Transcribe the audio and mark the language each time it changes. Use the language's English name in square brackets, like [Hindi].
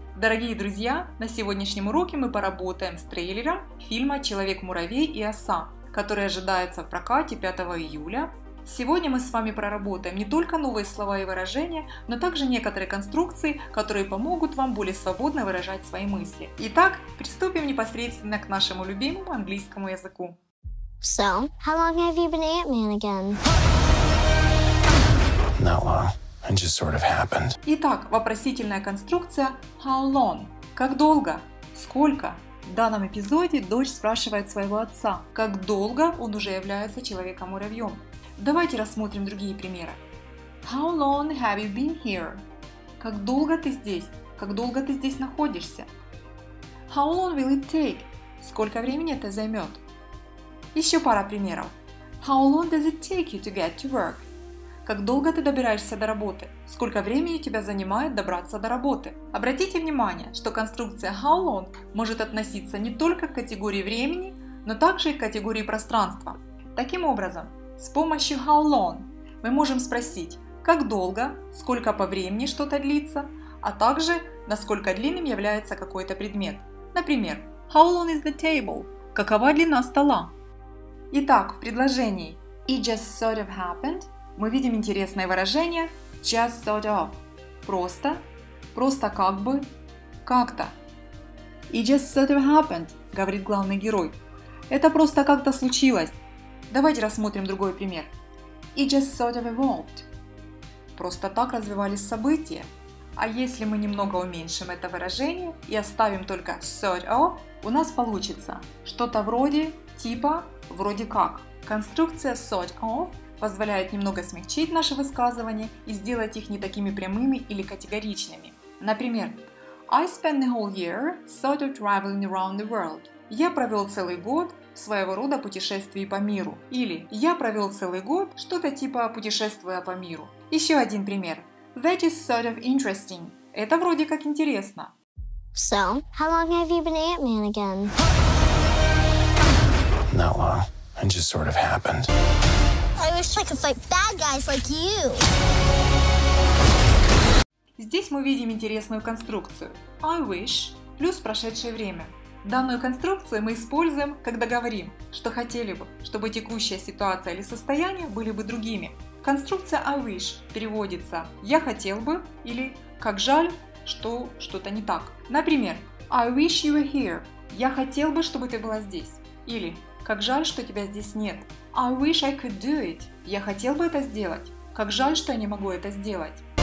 [Russian] Дорогие друзья, на сегодняшнем уроке мы поработаем с трейлером фильма «Человек-муравей и оса», который ожидается в прокате 5 июля. Сегодня мы с вами проработаем не только новые слова и выражения, но также некоторые конструкции, которые помогут вам более свободно выражать свои мысли. Итак, приступим непосредственно к нашему любимому английскому языку. [English] So, how long have you been Ant-Man again? Not long. It just sort of happened. [Russian] Итак, вопросительная конструкция [English] how long? [Russian] Как долго? Сколько? В данном эпизоде дочь спрашивает своего отца, как долго он уже является человеком-муравьем. Давайте рассмотрим другие примеры. [English] How long have you been here? [Russian] Как долго ты здесь? Как долго ты здесь находишься? [English] How long will it take? [Russian] Сколько времени это займет? Еще пара примеров. [English] How long does it take you to get to work? [Russian] Как долго ты добираешься до работы? Сколько времени тебя занимает добраться до работы? Обратите внимание, что конструкция [English] how long [Russian] может относиться не только к категории времени, но также и к категории пространства. Таким образом, с помощью [English] how long [Russian] мы можем спросить, как долго, сколько по времени что-то длится, а также насколько длинным является какой-то предмет. Например, [English] how long is the table? [Russian] Какова длина стола? Итак, в предложении [English] it just sort of happened [Russian] мы видим интересное выражение [English] just sort of. [Russian] Просто, просто как бы, как-то. [English] It just sort of happened, [Russian] говорит главный герой. Это просто как-то случилось. Давайте рассмотрим другой пример. [English] It just sort of evolved. [Russian] Просто так развивались события. А если мы немного уменьшим это выражение и оставим только [English] sort of, [Russian] у нас получится что-то вроде, типа, вроде как. Конструкция [English] sort of [Russian] позволяет немного смягчить наши высказывания и сделать их не такими прямыми или категоричными. Например, [English] I spent the whole year sort of traveling around the world. [Russian] Я провел целый год в своего рода путешествии по миру. Или я провел целый год что-то типа путешествуя по миру. Еще один пример. [English] That is sort of interesting. [Russian] Это вроде как интересно. [English] So, how long have you been Ant-Man again? Not long. It just sort of happened. I wish I could fight bad guys like you. [Russian] Здесь мы видим интересную конструкцию. [English] I wish [Russian] плюс прошедшее время. Данную конструкцию мы используем, когда говорим, что хотели бы, чтобы текущая ситуация или состояние были бы другими. Конструкция [English] I wish [Russian] переводится «я хотел бы» или «как жаль, что что-то не так». Например, [English] I wish you were here. [Russian] Я хотел бы, чтобы ты была здесь. Или «как жаль, что тебя здесь нет». [English] I wish I could do it. [Russian] Я хотел бы это сделать. Как жаль, что я не могу это сделать.